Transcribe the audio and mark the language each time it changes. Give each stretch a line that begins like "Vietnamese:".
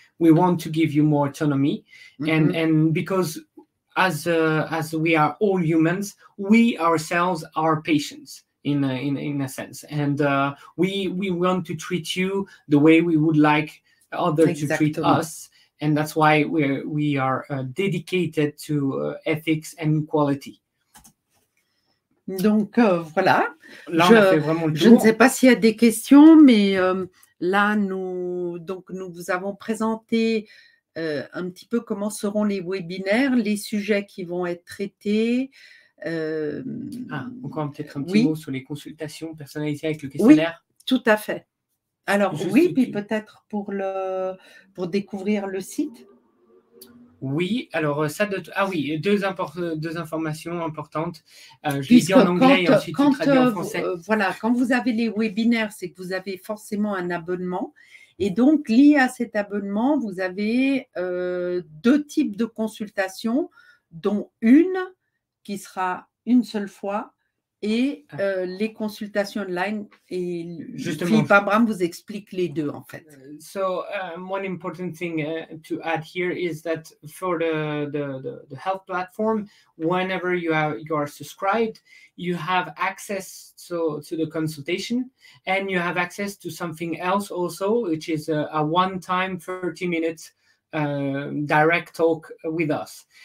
English: We want to give you more autonomy, and because as we are all humans, we ourselves are patients in a sense, and we want to treat you the way we would like others to treat us, and that's why we are dedicated to ethics and quality.
French: Donc voilà. Là, on a fait vraiment le tour. Je ne sais pas s'il y a des questions, mais là, nous vous avons présenté un petit peu comment seront les webinaires, les sujets qui vont être traités. Encore peut-être un petit mot sur les consultations personnalisées avec le questionnaire. Oui, tout à fait. Alors, puis peut-être pour découvrir le site. Oui, alors ça, deux informations importantes. Je dis en anglais et ensuite quand, tu traduis en français. Voilà, quand vous avez les webinaires, c'est que vous avez forcément un abonnement. Et donc, lié à cet abonnement, vous avez deux types de consultations, dont une qui sera une seule fois et les consultations online. Et justement, Philippe Abraham vous explique les deux, en fait.
English: So, one important thing to add here is that for the health platform, whenever you are subscribed, you have access to the consultation, and you have access to something else also, which is a one-time 30 minutes direct talk with us.